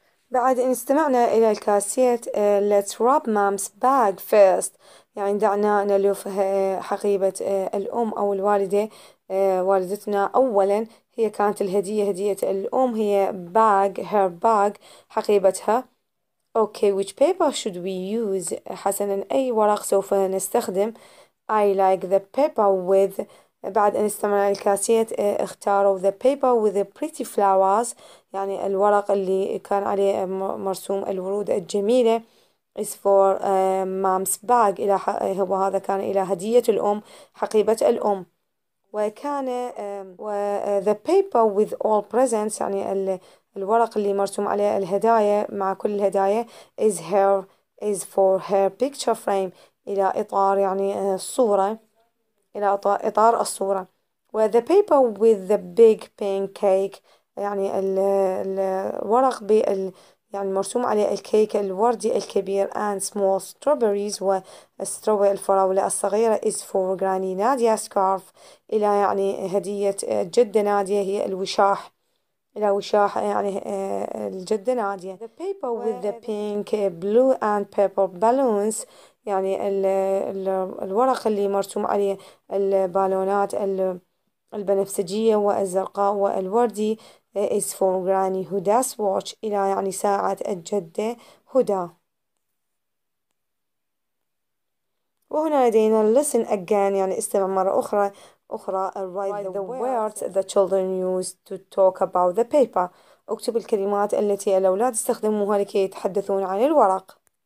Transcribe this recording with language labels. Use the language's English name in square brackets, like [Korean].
[Arabic] بعد إن استمعنا إلى الكاسيت [English] let's wrap mom's bag first [Arabic] يعني دعنا نلف حقيبة الأم أو الوالدة والدتنا أولا. هي كانت الهدية هدية الأم هي [English] bag her bag [Arabic] حقيبتها. [English] Okay which paper should we use [Arabic] حسنا أي ورق سوف نستخدم. [English] I like the paper with [Arabic] بعد أن استمعنا الكاسيت اختاروا [English] the paper with the pretty flowers [Arabic] يعني الورق اللي كان عليه مرسوم الورود الجميلة. [English] is for mom's bag [Arabic] إلى وهذا كان إلى هدية الأم حقيبة الأم. وكان [English] the paper with all presents [Arabic] يعني الورق اللي مرسوم عليه الهدايا مع كل الهدايا [English] is for her picture frame [Arabic] إلى إطار يعني الصورة. إلى إطار الصورة. [English] The paper with the big pancake [Arabic] يعني الورق بال يعني مرسوم عليه الكيك الوردي الكبير [English] and small strawberries [Arabic] والستروبي الفراولة الصغيرة [English] is for granny Nadia scarf [Arabic] إلى يعني هدية جدة نادية هي الوشاح إلى وشاح يعني الجدة نادية. [English] The paper with the pink, blue and purple balloons [Arabic] يعني الورق اللي مرسوم عليه البالونات البنفسجية والزرقاء والوردي [English] is for granny Huda's watch [Arabic] إلى يعني ساعة الجدة هدى. وهنا لدينا [English] listen again [Arabic] يعني استمع مرة أخرى [English] write the words the children use to talk about the paper. [Arabic] اكتب الكلمات التي الأولاد استخدموها لكي يتحدثون عن الورق.